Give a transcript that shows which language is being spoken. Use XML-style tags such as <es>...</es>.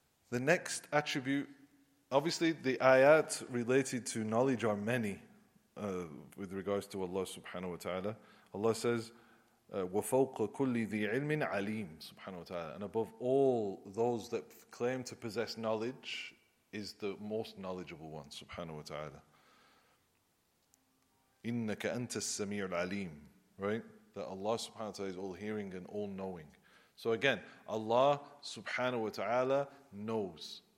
<en>The next attribute, obviously the ayat related to knowledge are many with regards to Allah subhanahu wa ta'ala.</en> <ar>Allah says, وَفَوْقَ كُلِّ ذِي عِلْمٍ عَلِيمٍ سُبْحَانَهُ وَتَعَالَى.</ar> <en>And above all those that claim to possess knowledge is the most knowledgeable one, subhanahu wa ta'ala.</en> <ar>إِنَّكَ أَنْتَ السَّمِيعُ الْعَلِيمُ. Right?</ar> <en>That Allah subhanahu wa ta'ala is all-hearing and all-knowing. So again, Allah subhanahu wa ta'ala knows.</en>